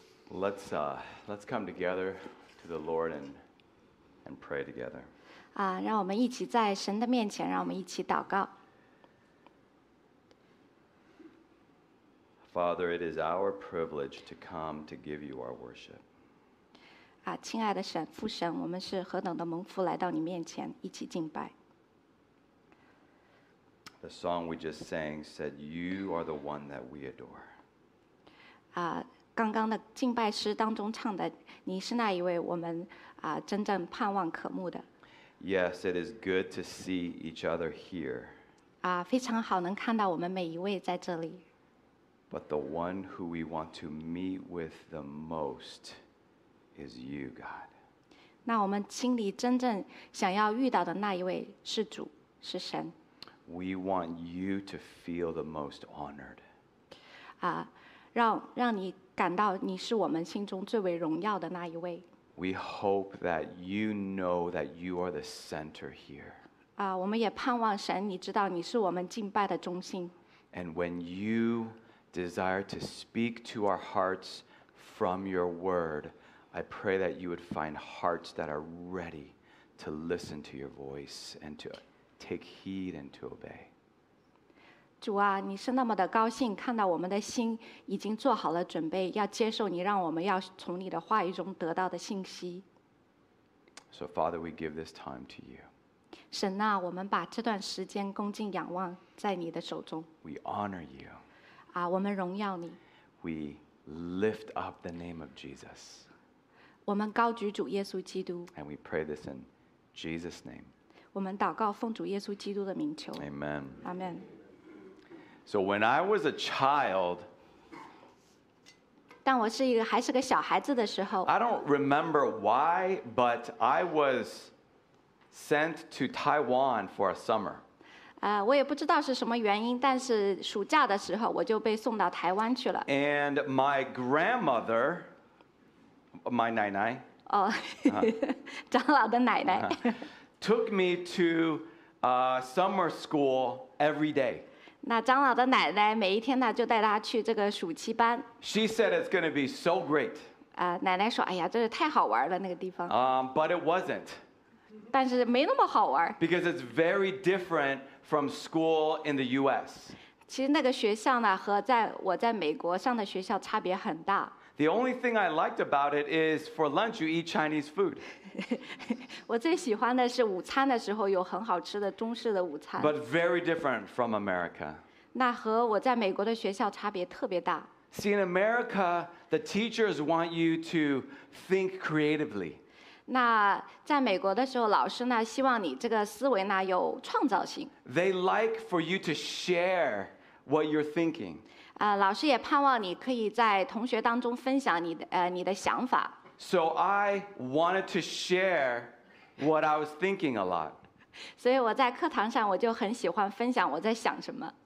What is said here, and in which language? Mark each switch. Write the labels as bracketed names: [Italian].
[English] Let's come together to the Lord and pray together. [Chinese] 让我们一起在神的面前，让我们一起祷告。 [English] Father, it is our privilege to come to give you our worship. [Chinese] 亲爱的神，父神，我们是何等的蒙福来到你面前，一起敬拜。 [English] The song we just sang said, "You are the one that we adore." [Chinese] 刚刚的敬拜诗当中唱的，你是那一位我们真正盼望渴慕的。 [English] Yes, it is good to see each other here. [Chinese] 非常好，能看到我们每一位在这里。 [English] But the one who we want to meet with the most is you, God. [Chinese] 那我们心里真正想要遇到的那一位是主，是神。 [English] We want you to feel the most honored. [Chinese] 让你感到你是我们心中最为荣耀的那一位。 [English] We hope that you know that you are the center here. [Chinese] 我们也盼望神，你知道你是我们敬拜的中心。 [English] And when you desire to speak to our hearts from your word, I pray that you would find hearts that are ready to listen to your voice and to take heed and to obey. [Chinese] 主啊，你是那么的高兴，看到我们的心已经做好了准备，要接受你让我们要从你的话语中得到的信息。 [English] So Father, we give this time to you. [Chinese] 神啊，我们把这段时间恭敬仰望在你的手中。 [English] We honor you. [Chinese] 我们荣耀你。 [English] We lift up the name of Jesus. [Chinese] 我们高举主耶稣基督。 [English] And we pray this in Jesus' name. [Chinese] 我们祷告奉主耶稣基督的名求。 [English] Amen. Amen. So when I was a child, [Chinese] 当我是一个还是个小孩子的时候 [English] I don't remember why, but I was sent to Taiwan for a summer. [Chinese] 我也不知道是什么原因，但是暑假的时候我就被送到台湾去了。 [English] And my grandmother, my 奶奶， [Chinese] 长老的奶奶。 [English] Took me to summer school every day. [Chinese] 那长老的奶奶每一天呢就带她去这个暑期班。 [English] She said it's going to be so great. [Chinese] 奶奶说，哎呀，这是太好玩了那个地方。 [English] But it wasn't. [Chinese] 但是没那么好玩。 [English] Because it's very different from school in the U.S. [Chinese] 其实那个学校呢和在我在美国上的学校差别很大。 [English] The only thing I liked about it is for lunch you eat Chinese food. [Chinese] 我最喜欢的是午餐的时候有很好吃的中式的午餐。 [English] But very different from America. [Chinese] 那和我在美国的学校差别特别大。 [English] See, in America, the teachers want you to think creatively. [Chinese] 那在美国的时候老师呢希望你这个思维呢有创造性。 [English] They like for you to share what you're thinking. [Chinese] 老师也盼望你可以在同学当中分享你的想法。 [English] So I wanted to share what I was thinking a lot. [Chinese] 所以我在课堂上我就很喜欢分享我在想什么。